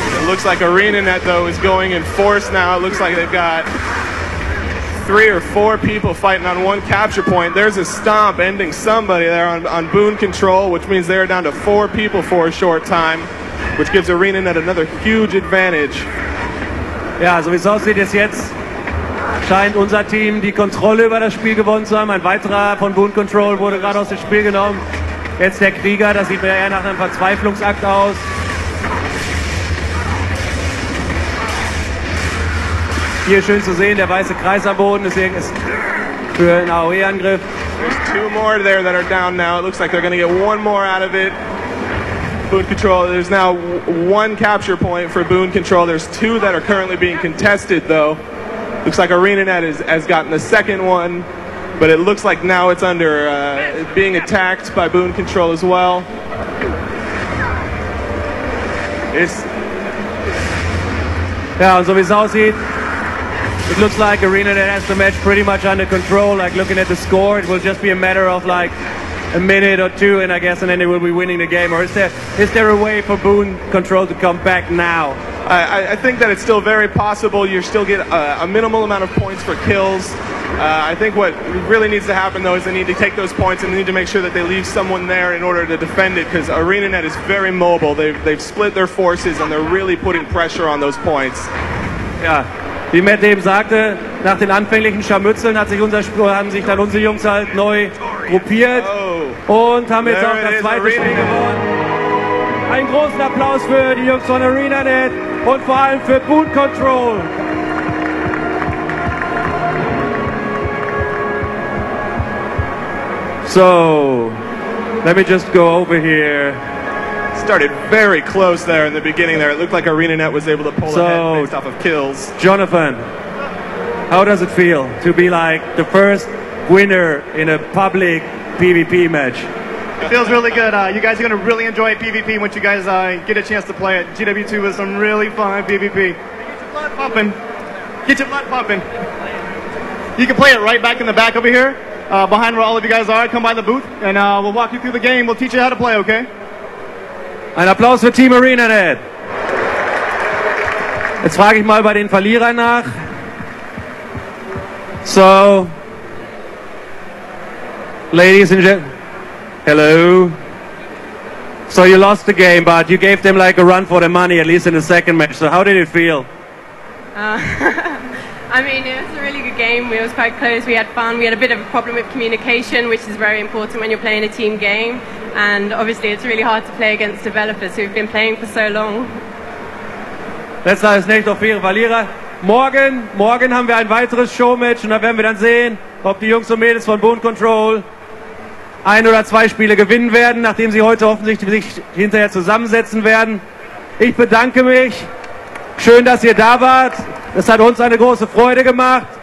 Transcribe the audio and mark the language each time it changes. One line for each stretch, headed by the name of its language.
English: Looks like ArenaNet though is going in force now. It looks like they've got 3 or 4 people fighting on one capture point. There's a stomp ending somebody there on Boon Control, which means they're down to 4 people for a short time, which gives ArenaNet another huge advantage.
German: Ja, so wie es aussieht ist jetzt, scheint unser Team die Kontrolle über das Spiel gewonnen zu haben. Ein weiterer von Boon Control wurde gerade aus dem Spiel genommen. Jetzt der Krieger, das sieht eher nach einem Verzweiflungsakt aus. Hier schön zu sehen, der weiße Kreis am Boden ist für einen AOE-Angriff.
English: There's two more there that are down now. It looks like they're going to get one more out of it. Boon Control, there's now one capture point for Boon Control. There's two that are currently being contested, though. Looks like ArenaNet has gotten the second one, but it looks like now it's under being attacked by Boon Control as well. Yeah,
German: so wie es aussieht,
English: it looks like ArenaNet has the match pretty much under control. Like looking at the score, it will just be a matter of like a minute or two, and I guess, and then they will be winning the game. Or is there a way for Boon Control to come back now? I think that it's still very possible. You still get a minimal amount of points for kills. I think what really needs to happen, though, is they need to take those points and they need to make sure that they leave someone there in order to defend it, because ArenaNet is very mobile. They've split their forces and they're really putting pressure on those points. Yeah.
German: Wie Matt eben sagte, nach den anfänglichen Scharmützeln haben sich dann unsere Jungs halt neu gruppiert und haben jetzt auch das zweite Spiel gewonnen. Einen großen Applaus für die Jungs von ArenaNet und vor allem für Boon Control.
English: So, let me just go over here. Started very close there in the beginning there. It looked like ArenaNet was able to pull ahead based off of kills. Jonathan, how does it feel to be like the first winner in a public PvP match? It feels really good. You guys are going to really enjoy PvP once you guys get a chance to play it. GW2 was some really fun PvP. Get your blood pumping. You can play it right back in the back over here, behind where all of you guys are. Come by the booth and we'll walk you through the game. We'll teach you how to play, okay?
German: Ein Applaus für Team ArenaNet. Jetzt frage ich mal bei den Verlierern nach.
English: So, ladies and gentlemen, hello. So you lost the game, but you gave them like a run for their money, at least in the second match. So how did it feel? I mean, it was a really good game. It was quite close. We had fun. We had a bit of a problem with communication, which is very important when you're playing a team game. And obviously, it's really hard to play against developers who've been playing for so long.
German: Letzter ist nicht auf ihre Verlierer. Morgen haben wir ein weiteres Showmatch und da werden wir dann sehen, ob die Jungs und Mädels von Boon Control ein oder zwei Spiele gewinnen werden, nachdem sie heute offensichtlich sich hinterher zusammensetzen werden. Ich bedanke mich. Schön, dass ihr da wart. Es hat uns eine große Freude gemacht.